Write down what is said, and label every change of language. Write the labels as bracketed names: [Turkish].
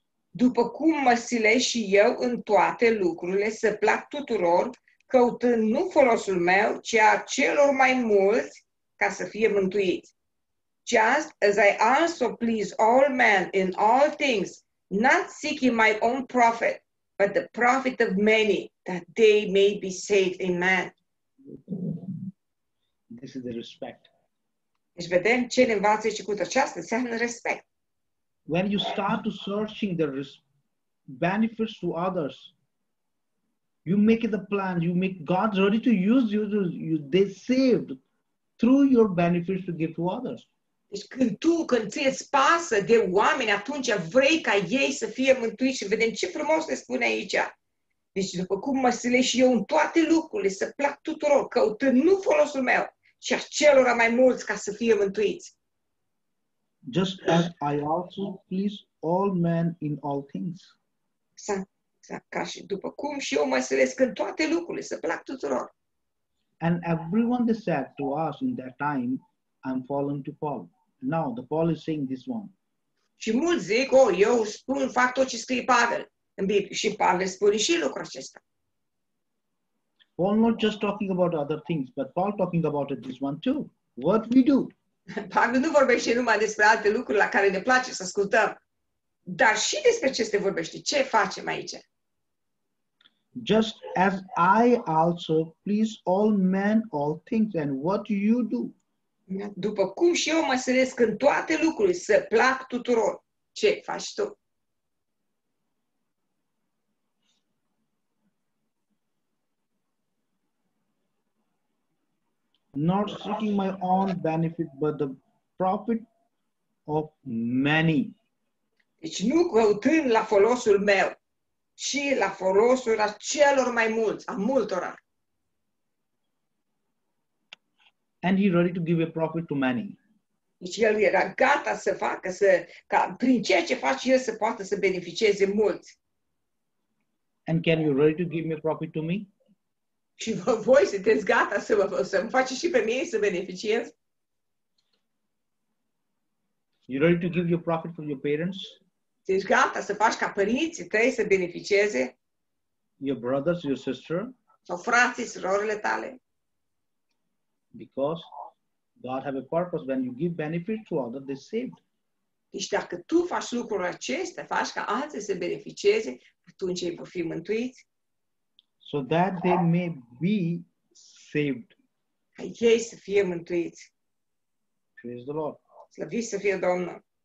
[Romanian] După cum mă silesc și eu în toate lucrurile să plac tuturor, căutând nu folosul meu, ci a celor mai mulți, ca să fie mântuiți. [English] Just as I also please all men in all things, not seeking my own profit, but the profit of many, that they may be saved. Amen. This is the respect. [Romanian] Deci vedem ce ne învață și cu aceasta, înseamnă respect. [English] When you start to searching the benefits to others, you make the plan, you make God ready to use you, they saved through your benefits to give to others. [Romanian] Deci când tu, când ți-ți pasă de oameni, atunci vrei ca ei să fie mântuiți. Și vedem ce frumos le spune aici. Deci după cum mă silesc și eu în toate lucrurile, să plac tuturor, căutând nu folosul meu, ci a celor mai mulți ca să fie mântuiți. [English] just as I also please all men in all things. [Romanian] Ca și după cum și eu mă silesc în toate lucrurile, să plac tuturor. [English] And everyone they said to us in that time, I'm fallen to Paul. Now, the Paul is saying this one. [Romanian] Și mulți zic, oh, eu spun, fac tot ce scrie Pavel în Biblie. Și Pavel spune și lucrul acesta. [English] Paul not just talking about other things, but Paul talking about it this one too. What we do. [Romanian] Pavel nu vorbește numai despre alte lucruri la care ne place să ascultăm. Dar și despre ce se vorbește, ce facem aici? [English] Just as I also please all men, all things, and what you do. [Romanian] După cum și eu mă seresc în toate lucrurile, să plac tuturor, ce faci tu? [English] Not seeking my own benefit, but the profit of many. [Romanian] Deci nu căutând la folosul meu, ci la folosul a celor mai mulți, a multora. [English] And he ready to give a profit to many. [Romanian] Deci el era gata să facă, să, ca prin ceea ce face el să poată să beneficieze mulți. [English] And can you ready to give me a profit to me? [Romanian] Și voi sunteți gata să mă face și pe mine să beneficiez? [English] You ready to give your profit from your parents? [Romanian] Ești gata să faci ca părinții tăi să beneficieze? [English] Your brothers, your sister? [Romanian] Sau frații, surorile tale? [English] Because God have a purpose when you give benefit to others, they saved. [Romanian] Deci dacă tu faci lucrul acesta, faci ca alții să beneficieze, atunci ei vor fi mântuiți. [English] So that they may be saved. [Romanian] Ca ei să fie mântuiți. [English] Praise the Lord. [Romanian] Slăviți să fie Domnul.